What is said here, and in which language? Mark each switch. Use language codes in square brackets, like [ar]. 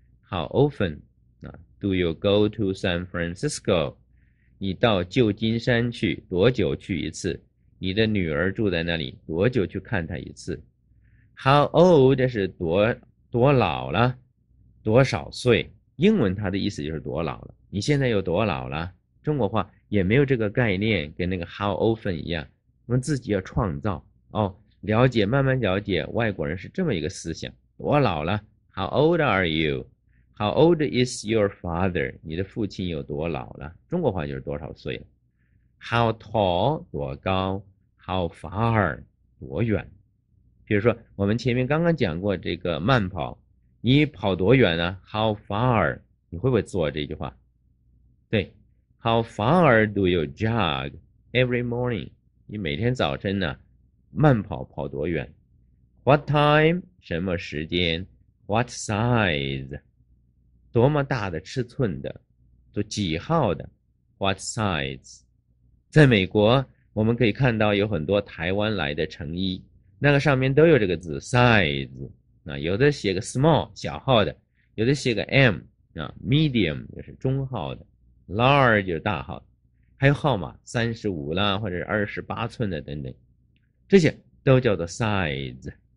[en] How often do you go to San Francisco？ [zh] 你到旧金山去多久去一次？你的女儿住在那里，多久去看她一次？ How old 是多老了，多少岁，英文它的意思就是多老了，你现在有多老了。中国话也没有这个概念，跟那个 How often 一样，我们自己要创造哦，了解，慢慢了解外国人是这么一个思想。 [en] 我老了， How old are you? How old is your father? [zh] 你的父亲有多老了？中国话就是多少岁了。 How tall? 多高。 [en] How far? 多远。 [zh] 比如说我们前面刚刚讲过这个慢跑，你跑多远呢？ How far? 你会不会做这句话？ [en] 对， How far do you jog every morning? [zh] 你每天早晨呢慢跑跑多远？ [en] What time？什么时间？ What size？ [zh] 多么大的尺寸的？都几号的？ What size？在美国我们可以看到有很多台湾来的成衣，那个上面都有这个字 size， 有的写个 small 小号的，有的写个 m， medium 就是中号的， large 就是大号的，还有号码35啦，或者是28寸的等等，这些都叫做 size。